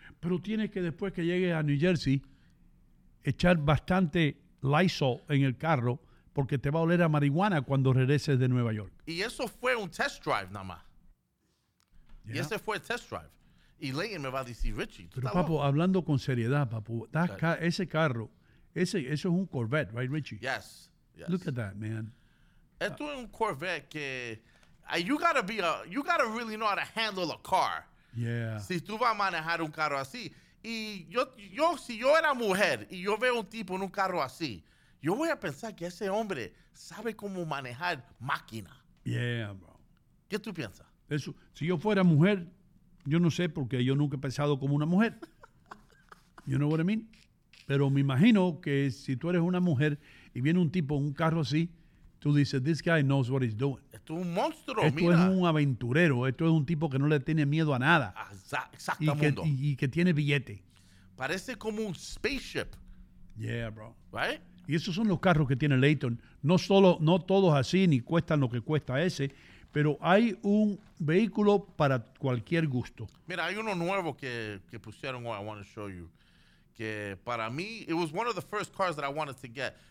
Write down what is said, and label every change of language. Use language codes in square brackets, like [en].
[es] Pero tienes que, después que llegues a New Jersey, echar bastante Lysol en el carro, porque te va a oler a marihuana cuando regreses de Nueva York. Y eso fue un test drive nada más. Yeah. Y ese fue el test drive. Y Leighton me va a decir, Richie, pero papo, loco, hablando con seriedad, papo, ese carro, eso es un Corvette, right, Richie? [en] Yes. Look at that, man. [es] Esto es un Corvette que... [en] you gotta really know how to handle a car. Yeah. [es] Si tú vas a manejar un carro así. Y yo, si yo era mujer y yo veo un tipo en un carro así, yo voy a pensar que ese hombre sabe cómo manejar máquina. [en] Yeah, bro. [es] ¿Qué tú piensas? Eso, si yo fuera mujer, yo no sé, porque yo nunca he pensado como una mujer. You know what I mean? Pero me imagino que si tú eres una mujer y viene un tipo en un carro así, tú dices, this guy knows what he's doing. Esto es un monstruo, esto mira. Esto es un aventurero. Esto es un tipo que no le tiene miedo a nada. Exactamente. Y que tiene billete. Parece como un spaceship. [en] Yeah, bro. Right? [es] Y esos son los carros que tiene Leighton. No solo, no todos así, ni cuestan lo que cuesta ese, pero hay un vehículo para cualquier gusto. Mira, hay uno nuevo que pusieron hoy, I want to show you. [en] Que para mí, it was one of the first cars that I wanted to get.